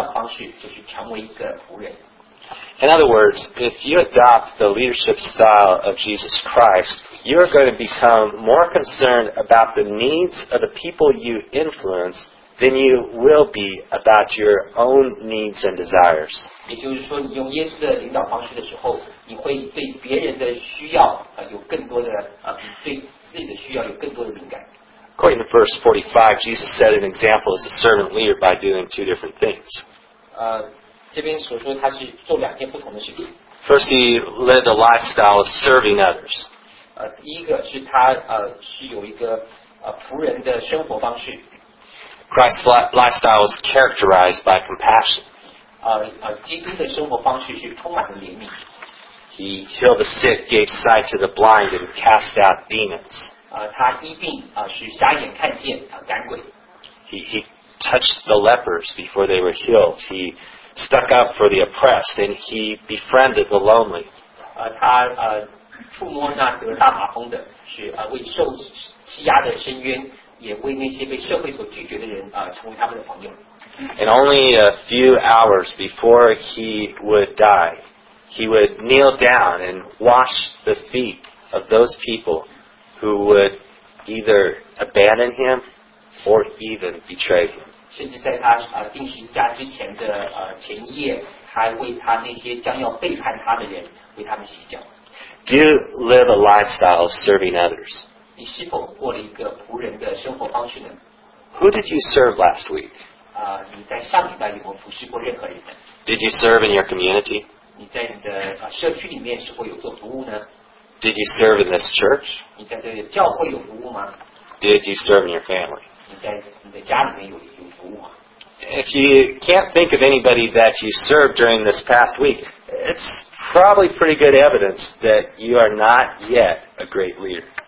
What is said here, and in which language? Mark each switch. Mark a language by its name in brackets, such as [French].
[Chinese] 根据马可福音10章43节到45节所说的，耶稣的领导方式就是成为一个仆人。 [English] In other words, if you adopt the leadership style of Jesus Christ, you're going to become more concerned about the needs of the people you influence than you will be about your own needs and desires. [Chinese] 也就是说，你用耶稣的领导方式的时候，你会对别人的需要有更多的，比对自己的需要有更多的敏感。 [English] According to verse 45, Jesus set an example as a servant leader by doing two different things. [Chinese] 这边所说他是做两件不同的事情。 [English] First, he led a lifestyle of serving others. [Chinese] 第一个是他是有一个仆人的生活方式。 [English] Christ's lifestyle is characterized by compassion. [Chinese] 基督的生活方式是充满了怜悯。 [English] He healed the sick, gave sight to the blind, and cast out demons. [Chinese] 他医病，使瞎眼看见，赶鬼。 [English] He touched the lepers before they were healed. He stuck up for the oppressed, and he befriended the lonely. [Chinese] 他触摸那个打麻风的，是为受欺压的深渊，也为那些被社会所拒绝的人，成为他们的朋友。 [English] And only a few hours before he would die, he would kneel down and wash the feet of those people who would either abandon him or even betray him. [Chinese] 甚至在他定期家之前的前一夜，还为他那些将要背叛他的人为他们洗脚。 [English] Do you live a lifestyle of serving others? [Chinese] 你是否过了一个仆人的生活方式呢？ [English] Who did you serve last week? [Chinese] 你在上礼拜有没有服侍过任何人呢？ [English] Did you serve in your community? [Chinese] 你在你的社区里面是否有做服务呢？ [English] Did you serve in this church? [Chinese] 你在这个教会有服务吗？ [English] Did you serve in your family? [Chinese] 你在你的家里面有服务吗？ [English] If you can't think of anybody that you served during this past week, it's probably pretty good evidence that you are not yet a great leader.